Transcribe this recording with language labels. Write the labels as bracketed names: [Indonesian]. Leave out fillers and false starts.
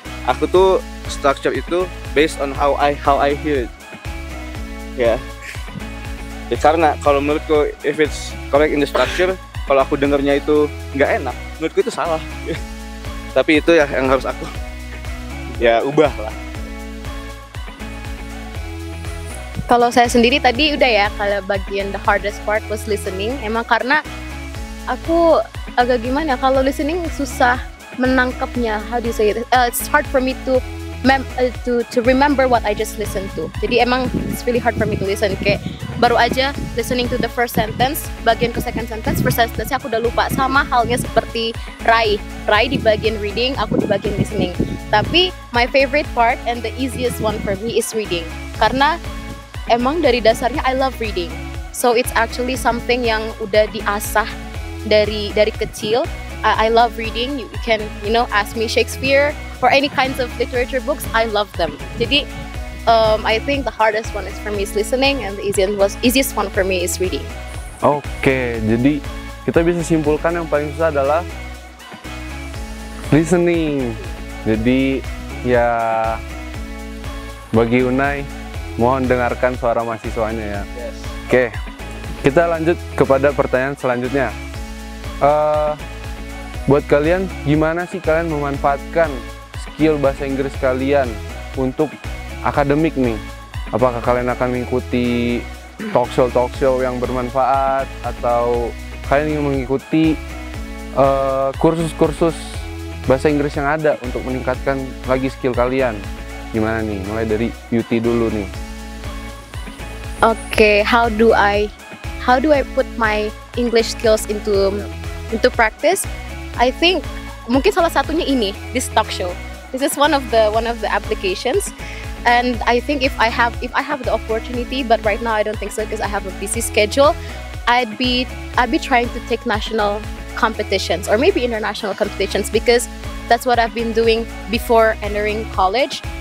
[Indonesian] Aku tuh [English] structure [Indonesian] itu [English] based on how I hear it. [Indonesian] Ya, karena kalau menurutku [English] if it's correct in the structure, [Indonesian] kalau aku dengarnya itu nggak enak, menurutku itu salah. Tapi itu ya yang harus aku ya ubah lah. Kalau saya sendiri tadi udah ya, kalau bagian [English] the hardest part was listening. [Indonesian] Emang karena aku agak gimana, kalau listening susah menangkapnya. [English] How do you say it? It's hard for me to remember what I just listened to. [Indonesian] Jadi emang [English] it's really hard for me to listen. [Indonesian] Kayak baru aja [English] listening to the first sentence, [Indonesian] bagian ke [English] second sentence, first sentence [Indonesian] aku udah lupa. Sama halnya seperti Rai di bagian reading, aku di bagian listening. Tapi [English] my favorite part and the easiest one for me is reading, [Indonesian] karena emang dari dasarnya [English] I love reading. So it's actually something [Indonesian] yang udah diasah dari kecil. [English] I love reading. You can, you know, ask me Shakespeare or any kinds of literature books, I love them. [Indonesian] Jadi, [English] I think the hardest one is for me is listening, and the easiest one for me is reading. [Indonesian] Oke, jadi kita bisa simpulkan yang paling susah adalah listening. Jadi, ya bagi Unai, mohon dengarkan suara mahasiswanya ya. [English] Yes. [Indonesian] Oke, kita lanjut kepada pertanyaan selanjutnya. Buat kalian, gimana sih kalian memanfaatkan skill bahasa Inggris kalian untuk akademik nih? Apakah kalian akan mengikuti talkshow-talkshow yang bermanfaat atau kalian ingin mengikuti kursus-kursus bahasa Inggris yang ada untuk meningkatkan lagi skill kalian? Gimana nih? Mulai dari Yuti dulu nih. [English] Okay, how do I put my English skills into practice? I think [Indonesian] mungkin salah satunya ini, [English] this talk show. This is one of the applications. And I think if I have the opportunity, but right now I don't think so because I have a busy schedule, I'd be trying to take national competitions or maybe international competitions, because that's what I've been doing before entering college.